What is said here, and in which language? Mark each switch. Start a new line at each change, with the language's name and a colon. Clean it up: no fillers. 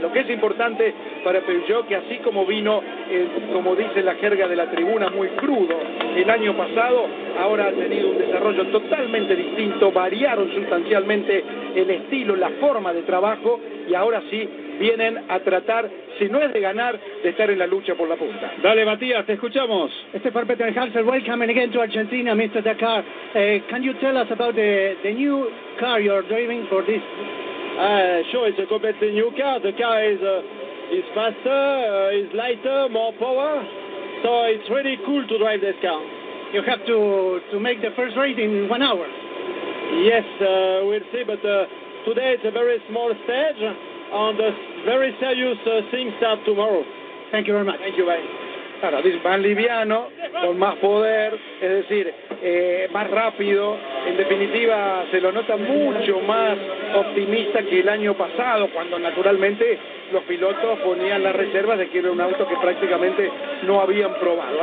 Spanish: Lo que es importante para Peugeot, que así como vino, como dice la jerga de la tribuna, muy crudo el año pasado, ahora ha tenido un desarrollo totalmente distinto, variaron sustancialmente el estilo, la forma de trabajo, y ahora sí vienen a tratar, si no es de ganar, de estar en la lucha por la punta. Dale, Matías, te escuchamos.
English: Stefan Peter Hansel, welcome again to Argentina, Mr. Dakar. Can you tell us about the new car you're driving for this? Sure, it's a completely new car. The car is faster, is lighter, more power. So it's really cool to drive this car. You have to make the first race in 1 hour. Yes, we'll see, but today it's a very small stage. On the very serious thing start tomorrow. Thank you very much. Thank you, bye.
Spanish: Claro, dice, más liviano, con más poder, es decir, más rápido. En definitiva, se lo nota mucho más optimista que el año pasado, cuando naturalmente los pilotos ponían las reservas de que era un auto que prácticamente no habían probado.